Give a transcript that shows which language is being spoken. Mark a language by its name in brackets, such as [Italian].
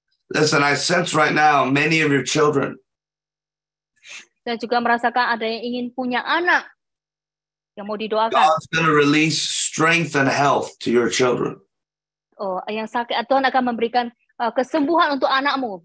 [English] Listen, I sense right now many of your children. [Indonesian] Saya juga merasakan ada yang ingin punya anak yang mau didoakan. [English] God's going to release strength and health to your children. [Indonesian] Oh, yang sakit, Tuhan akan memberikan kesembuhan untuk anakmu.